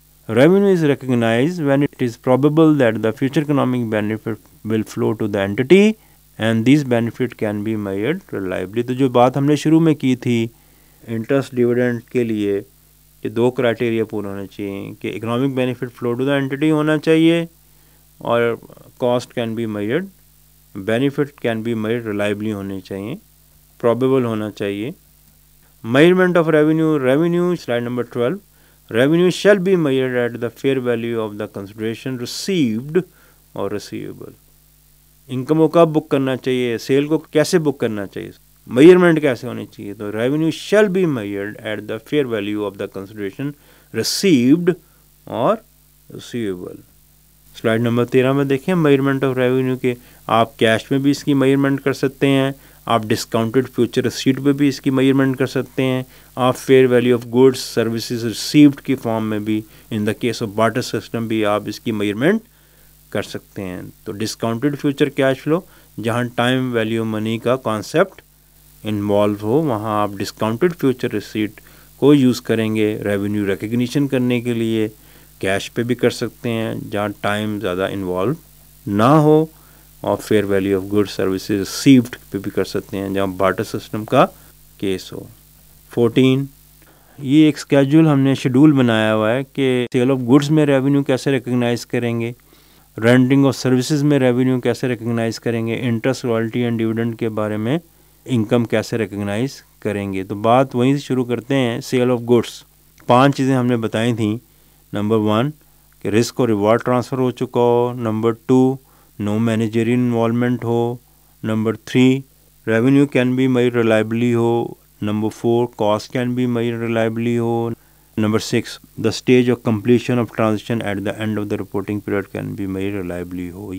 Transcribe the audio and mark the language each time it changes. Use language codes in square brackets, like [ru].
[en] Revenue is recognized when it is probable that the future economic benefit will flow to the entity and these benefit can be measured reliably. [hi] तो जो बात हमने शुरू में की थी interest dividend के लिए कि दो criteria पूरा होना चाहिए कि [en] economic benefit flow to the entity [hi] होना चाहिए और [en] cost can be measured, benefit can be measured reliably [hi] होने चाहिए, probable होना चाहिए. [en] Measurement of revenue, slide number 12. Revenue shall be measured at the fair value of the consideration received or receivable. [hi] Income को कब book करना चाहिए? Sale को कैसे book करना चाहिए? Measurement कैसे होनी चाहिए? [en] तो revenue shall be measured at the fair value of the consideration received or receivable. [hi] Slide number 13 में देखें [en] measurement of revenue [hi] के आप cash में भी इसकी measurement कर सकते हैं. आप discounted future receipt पे भी इसकी measurement कर सकते हैं. आप fair value of goods services received की form में भी, [en] in the case of barter system [hi] भी आप इसकी measurement कर सकते हैं. तो discounted future cash flow जहाँ [en] time value of money [hi] का concept involved हो, वहाँ आप discounted future receipt को use करेंगे revenue recognition करने के लिए. Cash पे भी कर सकते हैं जहाँ time ज़्यादा involved ना हो, और [en] fair value of goods services received [hi] पे भी कर सकते हैं जहाँ barter system का case हो. 14. ये एक schedule हमने schedule बनाया हुआ है कि sale of goods में revenue कैसे recognize करेंगे, rendering of services में revenue कैसे recognize करेंगे, interest, royalty and dividend के बारे में income कैसे recognize करेंगे. तो बात वहीं से शुरू करते हैं. Sale of goods, पांच चीज़ें हमने बताई थी. Number 1 कि risk और reward transfer हो चुका हो. [en] Number 2 no managerial involvement [hi] ho. [en] Number 3 revenue can be measured reliably [hi] ho. [en] Number 4 cost can be measured reliably [hi] ho. [en] Number 6 the stage of completion of transition at the end of the reporting period can be measured reliably ho.